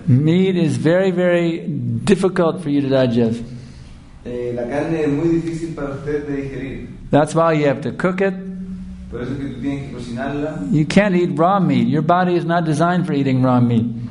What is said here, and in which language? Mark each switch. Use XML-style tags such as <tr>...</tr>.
<en>Meat is very, very difficult for you to digest.</en> <es>La carne es muy difícil para usted de digerir.</es> <en>That's why you have to cook it.</en> <es>Por eso es que tú tienes que cocinarla.</es> <en>You can't eat raw meat. Your body is not designed for eating raw meat.</en>